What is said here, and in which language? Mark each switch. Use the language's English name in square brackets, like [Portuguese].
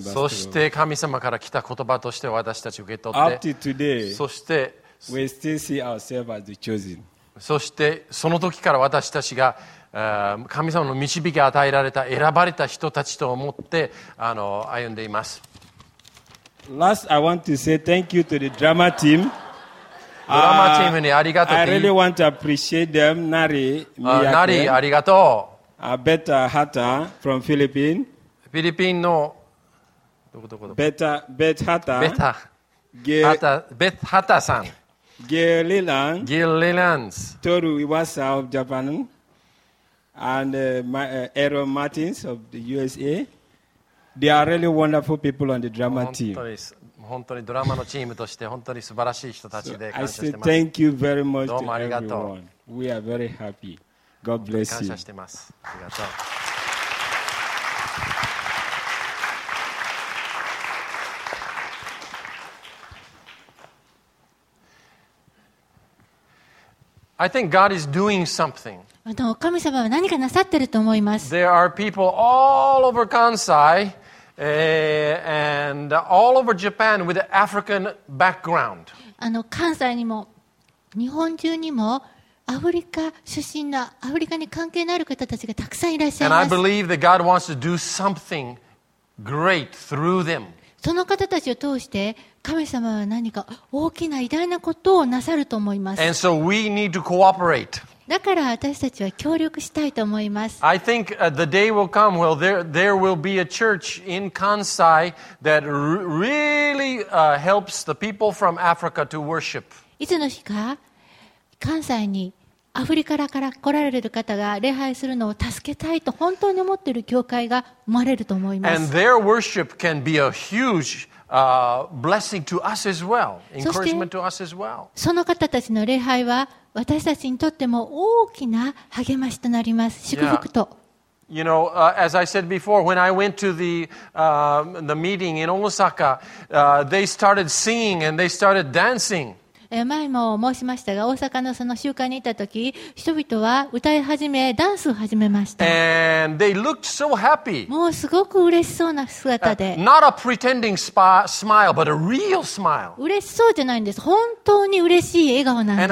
[Japanese] そして神様から来た言葉として私たち受け取って、 [English] Up to today, [Japanese] そして [English] we still see ourselves as the chosen. [Japanese] そしてその時から私たちが神様の導きを与えられた選ばれた人たちと思って歩んでいます。 [English] Last, I want to say thank you to the drama team. [Japanese] ドラマチームにありがとう。 [English] I really want to appreciate them. Nari, Miyake, [Japanese] Nari, ありがとう。 [English] Beta Hata from Philippines. [Japanese] フィリピンの [English] Beta Hata. [Japanese] Beta Hata さん。 [English] Gil Lilan. Toru Iwasa of Japan. And Aaron Martins of the USA. They are really wonderful people on the drama team. 本当にドラマのチームとして本当に素晴らしい人たちで感謝しています。 I say thank you very much to everyone. We are very happy. God bless you. [Japanese] 感謝しています。ありがとう。 [English] I think God is doing something. [Japanese] 神様は何かなさってると思います。 [English] There are people all over Kansai, and all over Japan with an African background. [Japanese] 関西にも日本中にもアフリカ出身のアフリカに関係のある方たちがたくさんいらっしゃいます。 [English] And I believe that God wants to do something great through them. [Japanese] その方たちを通して神様は何か大きな偉大なことをなさると思います。 [English] And so we need to cooperate. [Japanese] だから私たちは協力したいと思います。 [English] I think the day will come where there will be a church in Kansai that really helps the people from Africa to worship. [Japanese] いつの日か関西にアフリカから来られる方が礼拝するのを助けたいと本当に思っている教会が生まれると思います。 [English] And their worship can be a huge, blessing to us as well, encouragement to us as well. [Japanese] その方たちの礼拝は私たちにとっても大きな励ましとなります。祝福と。 [English] You know, as I said before, when I went to the meeting in Osaka, they started singing and they started dancing. [Japanese] 前も申しましたが、大阪のその集会にいたとき、人々は歌い始め、ダンスを始めました。 [English] And they looked so happy. [Japanese] もうすごく嬉しそうな姿で。 [English] Not a pretending smile, but a real smile. [Japanese] 嬉しそうじゃないんです。本当に嬉しい笑顔なんです。